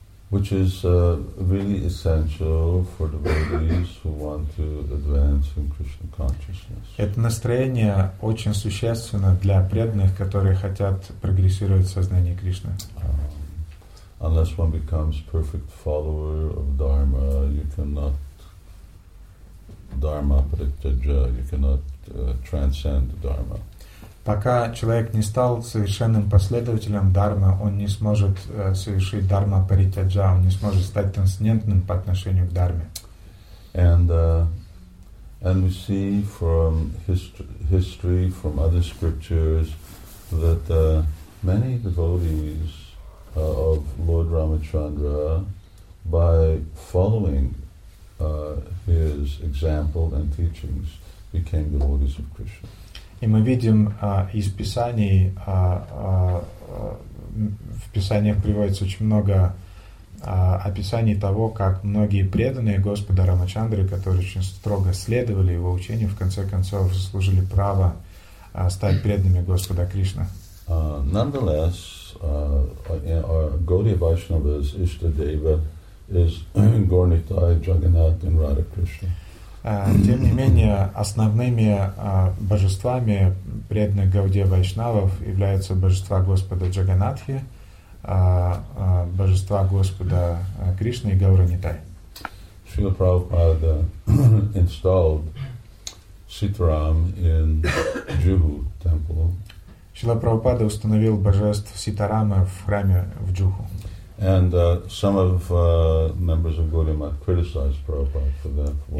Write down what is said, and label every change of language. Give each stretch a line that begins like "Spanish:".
English: Which is really essential for devotees who want to advance in Krishna consciousness.
Russian: Это настроение очень существенно для преданных, которые хотят прогрессировать в сознании Кришны.
English: Unless one becomes perfect follower of Dharma, you cannot Dharma Pratyaja, you cannot transcend Dharma.
Russian: Пока человек не стал совершенным последователем дармы, он не сможет совершить дарма паритяджа, он не сможет стать трансцендентным по отношению к дарме.
English: And we see from history, from other scriptures, that many devotees of Lord Ramachandra, by following his example and teachings, became devotees of Krishna.
Russian: И мы видим из Писаний, в Писаниях приводится очень много описаний того, как многие преданные Господа Рамачандры, которые очень строго следовали его учению, в конце концов заслужили право стать преданными Господа Кришны.
English: Nonetheless, Gaudiya Vaishnava's Ishtadeva is Gaurinitai, Jagannath and Radha Krishna.
Russian: Тем не менее, основными божествами преданных Гаудия Вайшнавов являются божества Господа Джаганатхи, божества Господа Кришны и Гауранитай. Шрила Прабхупада installed Sitaram in Juhu temple. Шрила Прабхупада установил божество Ситарама в храме в Джуху.
English: And some of members of Gaudiya Math criticized Prabhupada for that.